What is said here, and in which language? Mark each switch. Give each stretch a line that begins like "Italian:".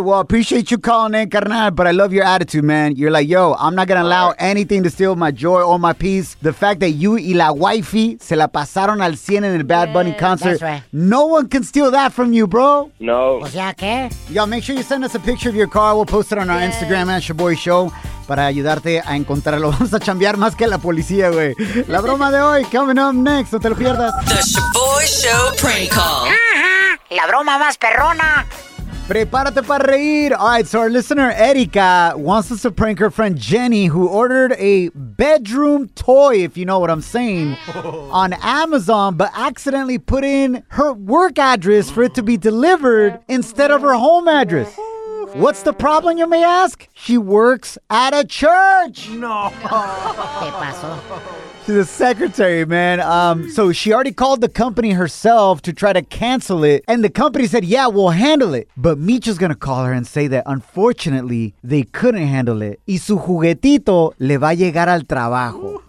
English: Well, appreciate you calling in, carnal, but I love your attitude, man. You're like, yo, I'm not going to allow anything to steal my joy or my peace. The fact that you
Spanish: y la wifey se la pasaron al 100
English: in the Bad Bunny concert. That's right. No one can steal that from you, bro. No.
Spanish: Pues ya que.
English: Y'all, make sure you send us a picture of your car. We'll post it on our Instagram, at Shaboy Show,
Spanish: para ayudarte a encontrarlo. Vamos a chambear más que la policía, güey. La broma de hoy,
English: coming up next.
Spanish: No te lo pierdas.
English: The Shaboy Show prank call.
Spanish: La broma más perrona. Prepárate para reír.
English: All right, so our listener, Erika, wants us to prank her friend Jenny, who ordered a bedroom toy, if you know what I'm saying, on Amazon, but accidentally put in her work address for it to be delivered instead of her home address. What's the problem, you may ask? She works at a church. No.
Spanish: ¿Qué pasó?
English: She's a secretary, man. So she already called the company herself to try to cancel it. And the company said, yeah, we'll handle it. But Meech is going to call her and say that, unfortunately, they couldn't handle it.
Spanish: Y su juguetito le va a llegar al trabajo.